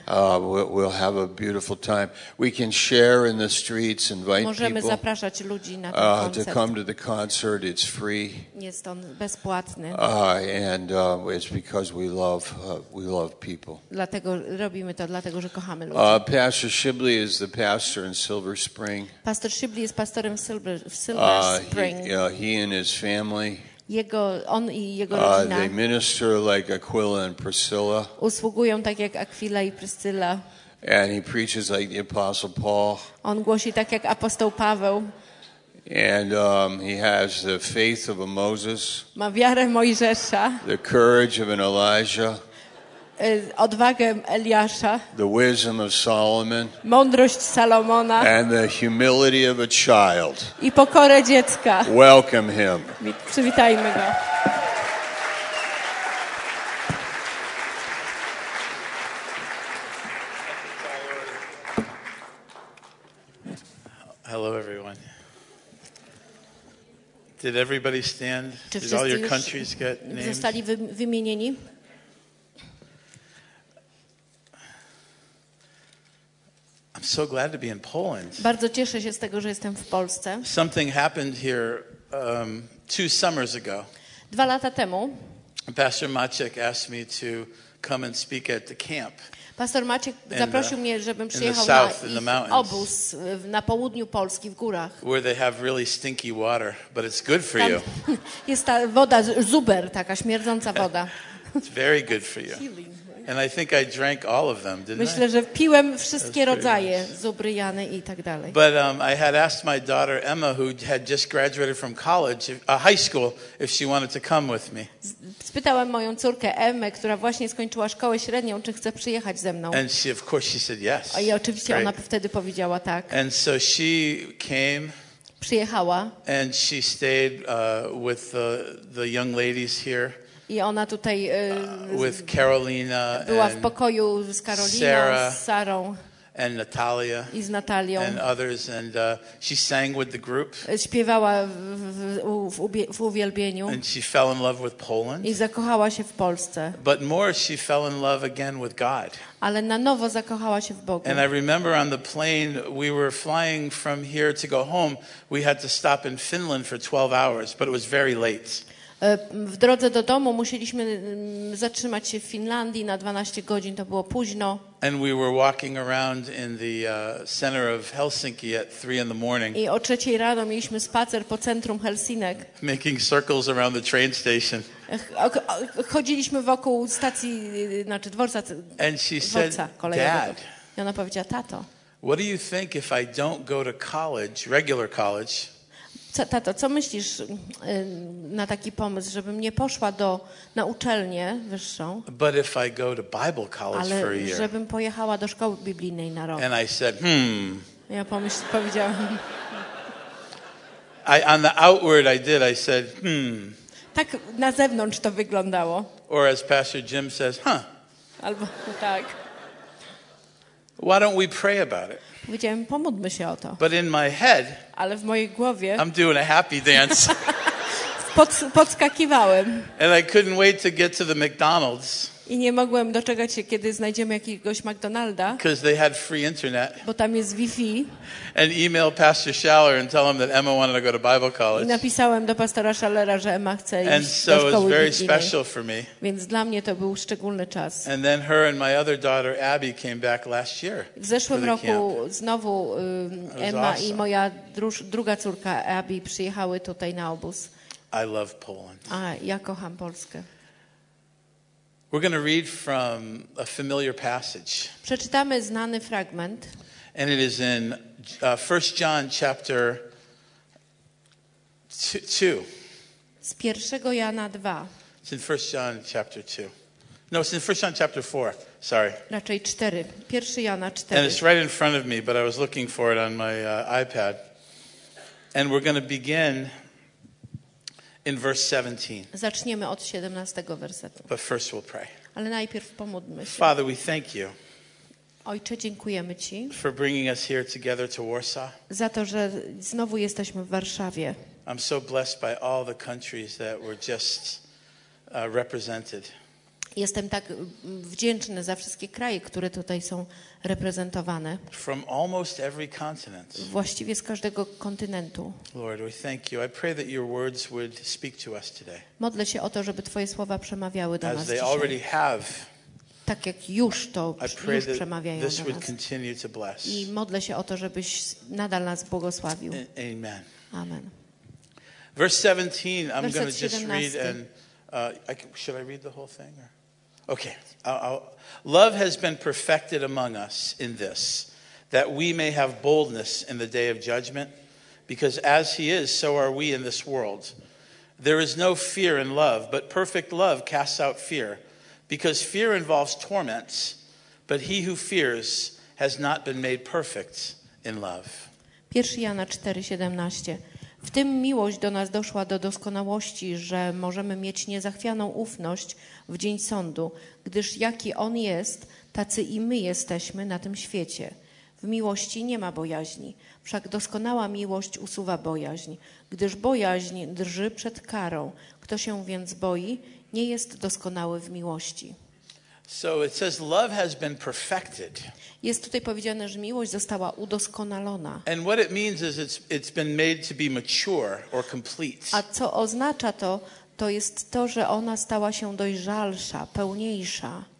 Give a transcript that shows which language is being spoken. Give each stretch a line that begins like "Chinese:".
English: We'll have a beautiful time. We can share in the streets, invite
Polish: możemy
English: people.
Polish: Zapraszać ludzi na ten koncert.
English: To come to the concert, it's free.
Polish: Jest on bezpłatny.
English: It's because we love people.
Polish: Dlatego robimy to, dlatego że kochamy ludzi.
English: Pastor Shibley is the pastor in Silver Spring.
Polish: Pastor Shibley jest pastorem w Silver Spring.
English: He and his family.
Polish: Jego
English: they minister like Aquila and Priscilla.
Polish: Usługują tak jak Aquila i Priscilla.
English: And he preaches like the Apostle Paul.
Polish: On głosi tak jak apostoł Paweł.
English: And he has the faith of a Moses.
Polish: Ma wiarę Mojżesza.
English: The courage of an Elijah.
Polish: Odwagę Eliasza.
English: The wisdom of Solomon.
Polish: Mądrość Salomona.
English: And the humility of a child.
Polish: I pokorę dziecka.
English: Welcome him.
Polish: Przywitajmy go.
English: Hello everyone. Did everybody stand? Did all your countries get named?
Polish: Zostali wymienieni?
English: I'm so glad to be in Poland.
Polish: Bardzo cieszę się z tego, że jestem w Polsce.
English: Something happened here two summers ago.
Polish: Dwa lata temu.
English: Pastor Maciek asked me to come and speak at the camp.
Polish: Pastor Maciek zaprosił mnie, żebym przyjechał na ich obóz na południu Polski, w górach.
English: Where they have really stinky water, but it's good for you.
Polish: Jest ta woda zuber, taka śmierdząca woda.
English: It's very good for you. And I think I drank all of them, didn't
Polish: Myślę,
English: I?
Polish: Że piłem wszystkie rodzaje, zubry, jany i tak dalej.
English: But I had asked my daughter Emma, who had just graduated from college, high school, if she wanted to come with me.
Polish: Spytałem moją córkę Emmę, która właśnie skończyła szkołę średnią, czy chce przyjechać ze mną.
English: And she, of course, she said yes.
Polish: I oczywiście ona wtedy powiedziała tak.
English: And so she came.
Polish: Przyjechała.
English: And she stayed with the young ladies here.
Polish: I ona tutaj
English: with Carolina
Polish: była w pokoju z Karoliną,
English: Sarah,
Polish: z Sarą
English: and Natalia,
Polish: i z Natalią
English: and others, and she sang with the group.
Polish: Śpiewała w uwielbieniu.
English: And she fell in love with Poland.
Polish: I zakochała się w Polsce.
English: But more, she fell in love again with God.
Polish: Ale na nowo zakochała się w Bogu.
English: And I remember on the plane we were flying from here to go home, we had to stop in Finland for 12 hours, but it was very late.
Polish: W drodze do domu musieliśmy zatrzymać się w Finlandii na 12 godzin, to było późno.
English: And we were walking around in the center of Helsinki at 3 in the morning.
Polish: I o 3 rano mieliśmy spacer po centrum Helsinek.
English: Making circles around the train station.
Polish: Chodziliśmy wokół stacji, znaczy dworca.
English: And she said, Dad.
Polish: I ona powiedziała, tato.
English: What do you think if I don't go to college, regular college?
Polish: Tato, co myślisz na taki pomysł, żebym nie poszła na uczelnię wyższą,
English: but if I go to Bible college
Polish: ale
English: for a year.
Polish: Żebym pojechała do szkoły biblijnej na rok.
English: And I said,
Polish: Ja powiedziałam.
English: On the outward I did, I said,
Polish: Tak na zewnątrz to wyglądało.
English: Or as Pastor Jim says,
Polish: Albo tak.
English: Why don't we pray about it?
Polish: Powiedziałem, pomódlmy się o to.
English: But in my head,
Polish: ale w mojej głowie
English: I'm doing a happy dance.
Polish: podskakiwałem.
English: And I couldn't wait to get to the McDonald's.
Polish: I nie mogłem doczekać się, kiedy znajdziemy jakiegoś McDonalda.
English: Because they had free internet.
Polish: Bo tam jest Wi-Fi.
English: And email Pastor Schaller and tell him that Emma wanted to go to Bible college.
Polish: I napisałem do pastora Schallera, że Emma chce iść
English: and
Polish: do szkoły.
English: And so it was very special for me.
Polish: Więc dla mnie to był szczególny czas.
English: And then her and my other daughter Abby came back last year.
Polish: W zeszłym roku
English: camp.
Polish: Znowu Emma
English: awesome.
Polish: I moja druga córka Abby przyjechały tutaj na obóz.
English: I love Poland.
Polish: A ja kocham Polskę.
English: We're going to read from a familiar passage.
Polish: Przeczytamy znany fragment.
English: And it is in 1 John chapter 2.
Polish: Z 1 Jana 2.
English: It's in 1 John chapter 2. No, it's in 1 John chapter 4. Sorry.
Polish: Raczej 4. 1 Jana 4.
English: And it's right in front of me, but I was looking for it on my iPad. And we're going to begin in verse 17.
Polish: Zaczniemy od 17 wersetu.
English: But first we'll pray.
Polish: Ale najpierw pomódlmy się.
English: Father, we thank you.
Polish: Ojcze, dziękujemy ci.
English: For bringing us here together to Warsaw.
Polish: Za to, że znowu jesteśmy w Warszawie.
English: I'm so blessed by all the countries that were just represented.
Polish: Jestem tak wdzięczny za wszystkie kraje, które tutaj są reprezentowane.
English: From almost every continent.
Polish: Właściwie z każdego kontynentu.
English: Lord, we thank you. I pray that your words would speak to us today.
Polish: Modlę się o to, żeby twoje słowa przemawiały do
English: As
Polish: nas
English: they
Polish: dzisiaj.
English: Already have,
Polish: tak jak już to
English: I pray
Polish: już przemawiają
English: this
Polish: do
English: would
Polish: nas.
English: Continue to bless.
Polish: I modlę się o to, żebyś nadal nas błogosławił.
English: Amen.
Polish: Amen.
English: Verse 17, I'm going to just read and should I read the whole thing? Or? Okay. Love has been perfected among us in this, that we may have boldness in the day of judgment, because as he is, so are we in this world. There is no fear in love, but perfect love casts out fear, because fear involves torments, but he who fears has not been made perfect in love.
Polish: 1 Jana 4:17. W tym miłość do nas doszła do doskonałości, że możemy mieć niezachwianą ufność w dzień sądu, gdyż jaki on jest, tacy i my jesteśmy na tym świecie. W miłości nie ma bojaźni, wszak doskonała miłość usuwa bojaźń, gdyż bojaźń drży przed karą. Kto się więc boi, nie jest doskonały w miłości.
English: So it says love has been perfected.
Polish: Jest tutaj powiedziane, że miłość została udoskonalona.
English: And what it means is it's been made to be mature or complete.
Polish: A co oznacza to? To jest to, że ona stała się dojrzalsza, pełniejsza.